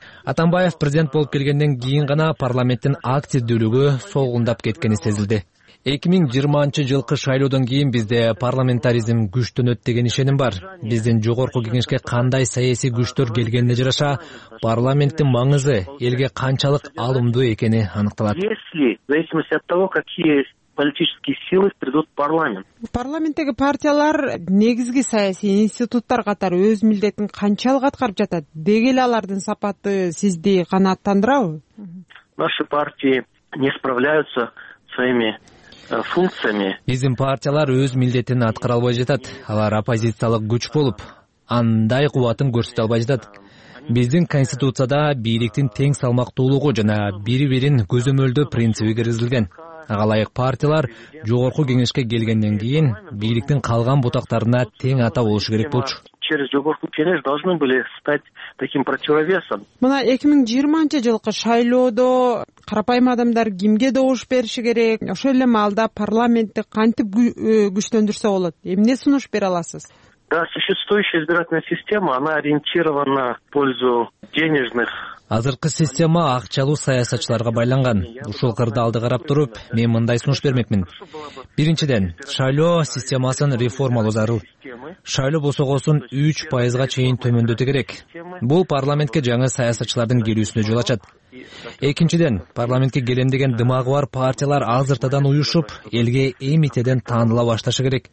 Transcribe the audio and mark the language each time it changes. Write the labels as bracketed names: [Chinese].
[Kyrgyz] Атамбаев президент болуп келгенден кийин гана парламенттин активдүүлүгү солгундап кеткени сезилди. 2020 жылкы шайлоодон кийин бизде парламентаризм күчтөнөт деген ишеним бар. Биздин жогорку кеңешке кандай саясий күчтөр келгенине жараша парламенттин маңызы элге канчалык алымдуу экени аныкталат. [Russian] Если в зависимости от того, какие политические силы придут в парламент. [Kyrgyz] Парламенттеги партиялар негизги саясий институттар катары өз милдетин канчалык аткарып жатат? Деги эле алардын сапаты сизди канааттандырабы? [Russian] Наши партии не справляются своими функциями. [Kyrgyz] Биздин партиялар өз милдетин аткара албай жатат. Алар оппозициялык күч болуп, андай кубатын көрсөтө албай жатат. Биздин конституцияда бийликтин тең салмактуулугу жана бири-бирин көзөмөлдөө принциби киргизилген. Ага ылайык партиялар жогорку кеңешке келгенден кийин бийликтин калган бутактарына тең ата болушу керек болчу. [Russian] Через жогорку кеңеш должны были стать таким противовесом. [Kyrgyz] Мына 2020 жылкы шайлоодо карапайым адамдар кимге добуш бериши керек? Ошол эле маалда парламентти кантип күчтөндүрсө болот? Эмне сунуш бере аласыз? [Russian] Да, существующая избирательная система, она ориентирована на пользу денежных. [Kyrgyz] Азыркы система акчалуу саясатчыларга байланган. Ушул кырдаалды карап туруп, мен мындай сунуш бермекмин. Биринчиден, шайлоо системасын реформалоо зарыл. Шайлоо босогосун 3% чейин төмөндөтө керек. Бул парламентке жаңы саясатчылардын келүүсүнө жол ачат. Экинчиден, парламентке келем деген дымагы бар партиялар азыртадан уюшуп, элге эмитеден таанила башташы керек.